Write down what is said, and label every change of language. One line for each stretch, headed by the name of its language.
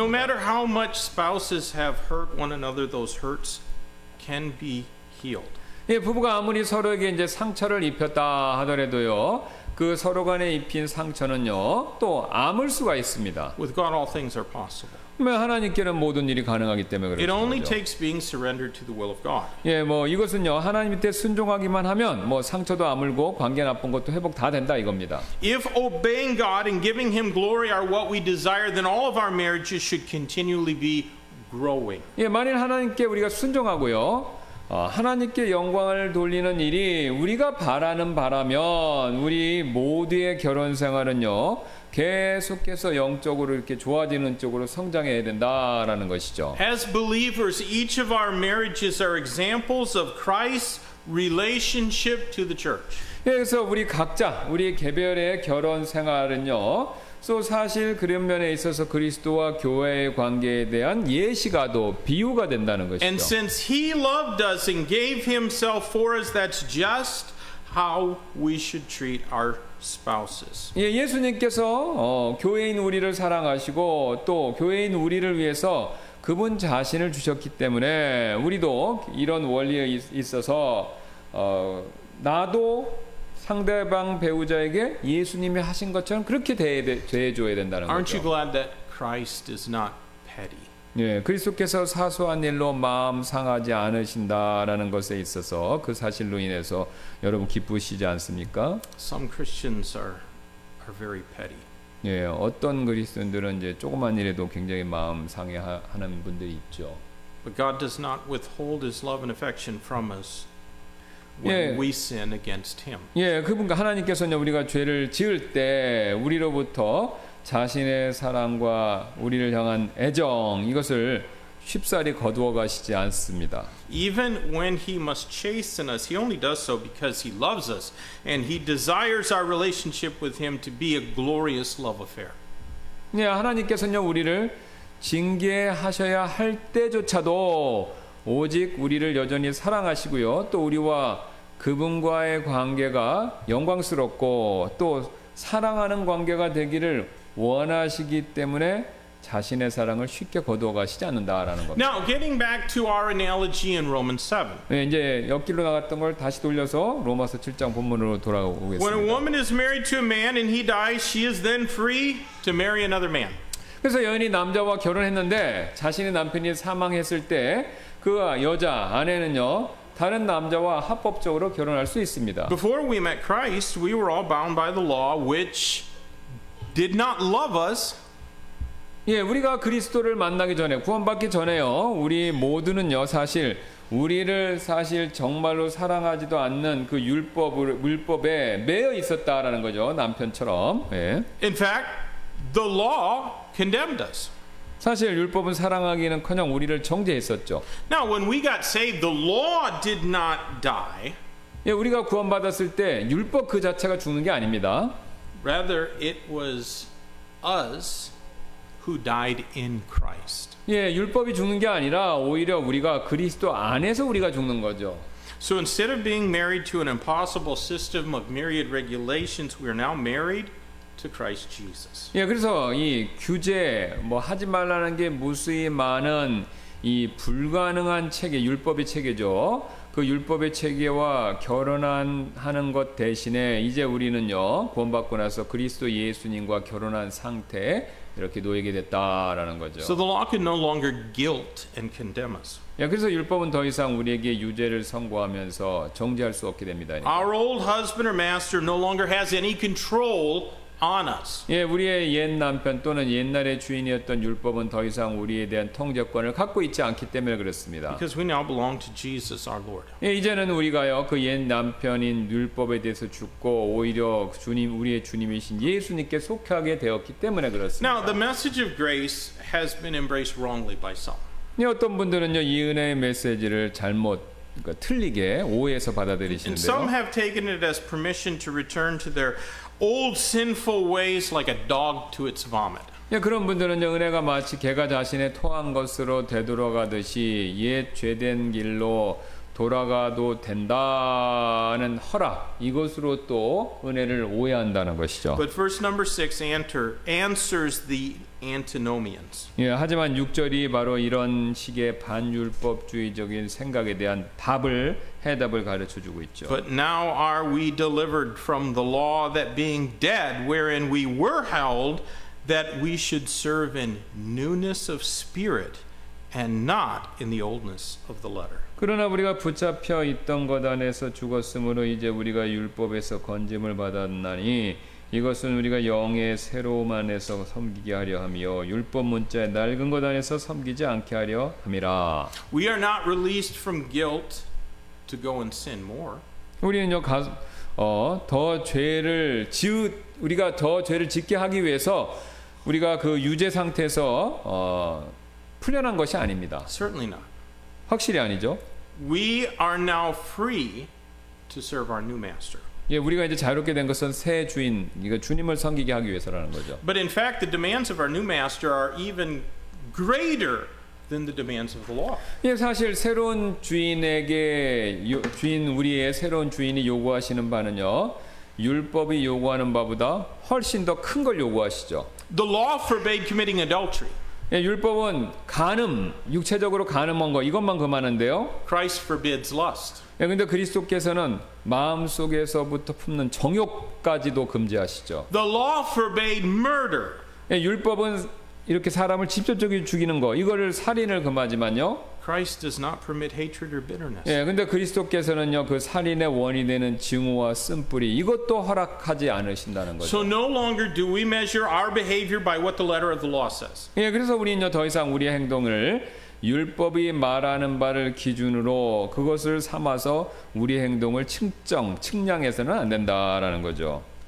English: No matter how much spouses have hurt one another, those hurts can be healed.
Korean: 예, 부부가 아무리 서로에게 이제 상처를 입혔다 하더라도요. 그 서로 간에 입힌 상처는요, 또 아물 수가 있습니다.
English: With God, all things are possible.
Korean: 왜 하나님께는 모든 일이 가능하기 때문에 그렇죠.
English: It only takes being surrendered to the will of God.
Korean: 예, 뭐 이것은요, 하나님께 순종하기만 하면 뭐 상처도 아물고 관계 나쁜 것도 회복 다 된다 이겁니다.
English: If obeying God and giving Him glory are what we desire, then all of our marriages should continually be growing.
Korean: 예, 만일 하나님께 우리가 순종하고요. 하나님께 영광을 돌리는 일이 우리가 바라는 바라면 우리 모두의 결혼 생활은요 계속해서 영적으로 이렇게 좋아지는 쪽으로 성장해야 된다라는 것이죠.
English: As believers, each of our marriages are examples of Christ's relationship to the church.
Korean: 그래서 우리 각자 우리 개별의 결혼 생활은요. 또 사실 그런 면에 있어서 그리스도와 교회의 관계에 대한 예시가 또 비유가 된다는 것이죠.
English: And since he loved us and gave himself for us, that's just how we should treat our spouses.
Korean: 예, 예수님께서 교회인 우리를 사랑하시고 또 교회인 우리를 위해서 그분 자신을 주셨기 때문에 우리도 이런 원리에 있어서 나도 상대방 배우자에게 예수님이 하신 것처럼 그렇게 대해줘야 된다는
English: Aren't
Korean: 거죠.
English: You glad that Christ is not petty?
Korean: 예, 그리스도께서 사소한 일로 마음 상하지 않으신다라는 것에 있어서 그 사실로 인해서 여러분 기쁘시지 않습니까?
English: Some Christians are very petty.
Korean: 예, 어떤 그리스도인들은 이제 조그만 일에도 굉장히 마음 상해하는 분들이 있죠.
English: But God does not withhold His love and affection from us. When we sin against Him.
Korean: 예, 그분과 하나님께서는 우리가 죄를 지을 때 우리로부터 자신의 사랑과 우리를 향한 애정 이것을 쉽사리 거두어 가시지 않습니다.
English: Even when he must chasten us, he only does so because he loves us and he desires our relationship with him to be a glorious love affair.
Korean: 네, 하나님께서는요 우리를 징계하셔야 할 때조차도 오직 우리를 여전히 사랑하시고요. 또 우리와 그분과의 관계가 영광스럽고 또 사랑하는 관계가 되기를 원하시기 때문에 자신의 사랑을 쉽게 거두어 가시지 않는다라는 겁니다.
English: Now, getting back to our analogy in Romans 7.
Korean: 네, 이제 옆길로 나갔던 걸 다시 돌려서 로마서 7장 본문으로 돌아오겠습니다.
English: When a woman is married to a man and he dies, she is then free to marry another man.
Korean: 그래서 여인이 남자와 결혼했는데 자신의 남편이 사망했을 때 그 여자 아내는요 다른 남자와 합법적으로 결혼할 수 있습니다.
English: Before we met Christ, we were all bound by the law which did not love us.
Korean: 예, 우리가 그리스도를 만나기 전에 구원받기 전에요. 우리 모두는요, 사실 우리를 사실 정말로 사랑하지도 않는 그 율법을 율법에 매여 있었다라는 거죠. 남편처럼. 예.
English: In fact, the law condemned us.
Korean: 사실 율법은 사랑하기는커녕 우리를 정죄했었죠.
English: Now when we got saved, the law did not die.
Korean: 예, 우리가 구원받았을 때 율법 그 자체가 죽는 게 아닙니다.
English: Rather it was us who died in Christ.
Korean: 예, 율법이 죽는 게 아니라 오히려 우리가 그리스도 안에서 우리가 죽는 거죠.
English: So instead of being married to an impossible system of myriad regulations, we are now married to Christ Jesus.
Korean: 예, 그래서 이 규제 뭐 하지 말라는 게 무수히 많은 이 불가능한 체계, 율법의 체계죠. 그 율법의 체계와 결혼한 하는 것 대신에 이제 우리는요 구원받고 나서 그리스도 예수님과 결혼한 상태 이렇게 놓이게 됐다라는 거죠.
English: So the law can no longer guilt and condemn us.
Korean: 예, 그래서 율법은 더 이상 우리에게 유죄를 선고하면서 정죄할 수 없게 됩니다.
English: Our old husband or master no longer has any control on us.
Korean: 예, 우리의 옛 남편 또는 옛날의 주인이었던 율법은 더 이상 우리에 대한 통제권을 갖고 있지 않기 때문에 그렇습니다.
English: Because we now belong to Jesus, our Lord.
Korean: 예, 이제는 우리가요 그 옛 남편인 율법에 대해서 죽고 오히려 주님 우리의 주님이신 예수님께 속하게 되었기 때문에 그렇습니다.
English: Now the message of grace has been embraced wrongly by some.
Korean: 예, 어떤 분들은요 이 은혜의 메시지를 잘못 그러니까 틀리게 오해해서 받아들이시는데요.
English: And some have taken it as permission to return to their old sinful ways like a dog to its vomit.
Korean: 예, 그런 분들은요 은혜가 마치 개가 자신의 토한 것으로 되돌아가듯이 옛 죄된 길로 돌아가도 된다는 허락 이것으로 또 은혜를 오해한다는 것이죠.
English: But verse number 6 answers the antinomians.
Korean: 예, 하지만 6절이 바로 이런 식의 반율법주의적인 생각에 대한 답을 해답을 가르쳐 주고 있죠.
English: But now are we delivered from the law that being dead wherein we were held that we should serve in newness of spirit and not in the oldness of the letter.
Korean: 그러나 우리가 붙잡혀 있던 것 안에서 죽었으므로 이제 우리가 율법에서 건짐을 받았나니 이것은 우리가 영의 새로움 안에서 섬기게 하려 함이요 율법 문자의 낡은 것 안에서 섬기지 않게 하려 함이라.
English: We are not released from guilt to go and sin more.
Korean: 우리는요 더 죄를 우리가 더 죄를 짓게 하기 위해서 우리가 그 유죄 상태에서 풀려난 것이 아닙니다.
English: Certainly not.
Korean: 확실히 아니죠.
English: We are now free to serve our new master.
Korean: 예, 우리가 이제 자유롭게 된 것은 새 주인, 이거 주님을 섬기게 하기 위해서라는 거죠.
English: But in fact, the demands of our new master are even greater than the demands of the law.
Korean: 예, 사실 새로운 주인에게 주인 우리의 새로운 주인이 요구하시는 바는요, 율법이 요구하는 바보다 훨씬 더 큰 걸 요구하시죠.
English: The law forbade committing adultery.
Korean: 예, 율법은 간음, 육체적으로 간음한 거 이것만 금하는데요.
English: Christ forbids lust.
Korean: 예, 근데 그리스도께서는 마음속에서부터 품는 정욕까지도 금지하시죠.
English: The law forbade murder.
Korean: 예, 율법은 이렇게 사람을 직접적으로 죽이는 거, 이거를 살인을 금하지만요.
English: Christ does not permit hatred or bitterness.
Korean: 예, 근데 그리스도께서는요, 그 살인의 원이 되는 증오와 쓴뿌리 이것도 허락하지 않으신다는 거죠.
English: So no longer do we measure our behavior by what the letter of the law says.
Korean: 예, 그래서 우리는요, 더 이상 우리의 행동을 율법이 말하는 바를 기준으로 그것을 삼아서 우리 행동을 측량해서는 안 된다라는 거죠.